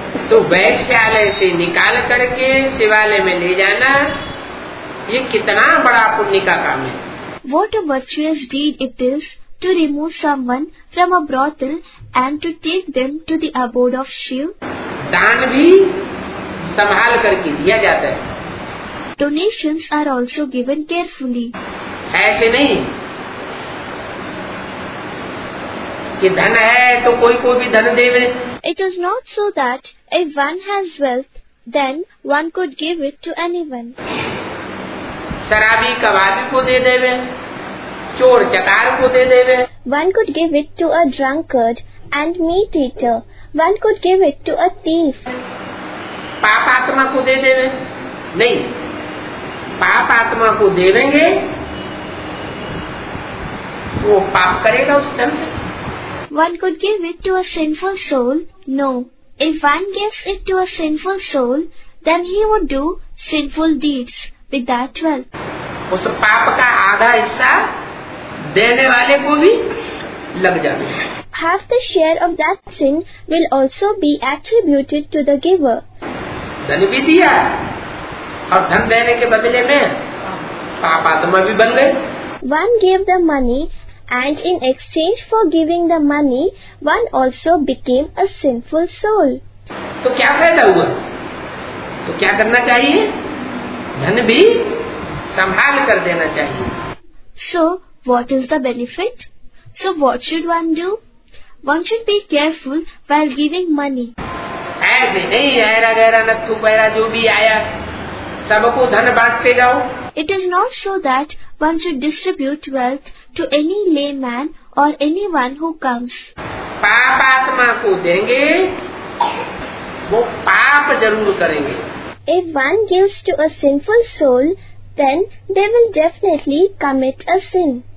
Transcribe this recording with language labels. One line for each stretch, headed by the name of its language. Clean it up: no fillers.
Hindi: तो वैशालय से निकाल करके शिवालय में ले जाना ये कितना बड़ा पुण्य का काम है
English: What a virtuous deed it is to remove someone from a brothel and to take them to the abode of Shiv?
Hindi: Daan bhi sambhal kar ki diya jata hai.
English: Donations are also given carefully.
Hindi: Aise nahi ki dhan hai to koi koi bhi dhan deve.
English: It is not so that if one has wealth, then one could give it to anyone.
Hindi: Sharabi kababi ko de deve, chor chakar ko de deve.
English: One could give it to a drunkard and meat eater. One could give it to a thief.
Hindi: Paap atma ko de deve. Nahi. पाप आत्मा को दे देंगे वो पाप करेगा उस दम से.
English: One could give it to a sinful soul. No, if one gives it to a sinful soul, then he would do sinful deeds with that wealth.
Hindi: उस पाप का आधा हिस्सा देने वाले को भी लग जाएगा.
English: Half the share of that sin will also be attributed to the giver.
Hindi: धन भी दिया और धन देने के बदले में पाप आत्मा भी बन गए.
English: One gave the money and in exchange for giving the money, one also became a sinful soul.
Hindi: तो क्या फायदा हुआ? तो क्या करना चाहिए? धन भी संभाल कर देना चाहिए.
English: So what is the benefit? So what should one do? One should be careful while giving money.
Hindi: ऐसे नहीं ऐरा गैरा नथू पैरा जो भी आया सबको धन बांटते जाओ.
English: It is not so that one should distribute wealth to any layman or anyone who comes.
Hindi: पाप आत्मा को देंगे वो पाप जरूर करेंगे.
English: If one gives to a sinful soul, then they will definitely commit a sin.